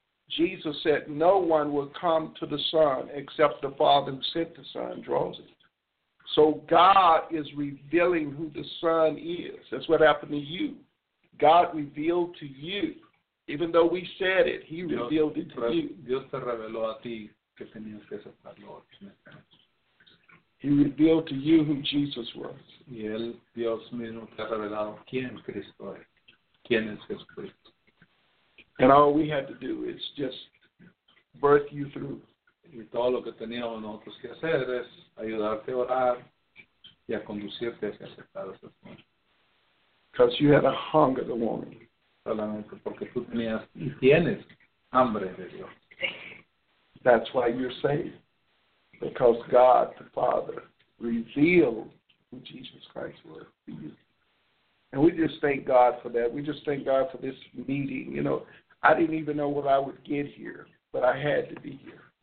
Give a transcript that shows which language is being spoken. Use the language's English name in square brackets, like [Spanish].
[English] Jesus said, no one will come to the Son except the Father who sent the Son draws it. So God is revealing who the Son is. That's what happened to you. God revealed to you. Even though we said it, he revealed it to you. [Spanish] Dios te reveló a ti que tenías que aceptarlo. [English] He revealed to you who Jesus was. [Spanish] Y él, Dios mismo, te ha revelado quién Cristo es. Quién es Jesucristo. [English] And all we had to do is just birth you through. [Spanish] Y todo lo que teníamos nosotros que hacer es ayudarte a orar y a conducirte hacia aceptar a Jesús. [English] Because you had a hunger to want him. [Spanish] Solamente porque tú tenías y tienes hambre de Dios. [English] That's why you're saved. Because God the Father revealed who Jesus Christ was to you. And we just thank God for that. We just thank God for this meeting. You know, I didn't even know what I would get here, but I had to be here.